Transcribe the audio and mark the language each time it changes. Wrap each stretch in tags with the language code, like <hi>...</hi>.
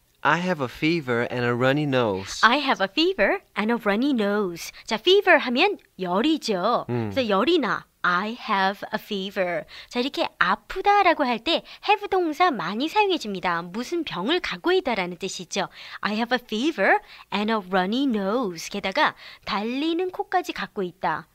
<en>I have a fever and a runny nose. I have a fever and a runny nose.</en> <ko>자, fever 하면 열이죠. 그래서 열이 나.</ko> <en>I have a fever.</en> <ko>자, 이렇게 아프다라고 할 때 have 동사 많이 사용해집니다. 무슨 병을 갖고 있다라는 뜻이죠.</ko> <en>I have a fever and a runny nose.</en> <ko>게다가 달리는 코까지 갖고 있다.</ko>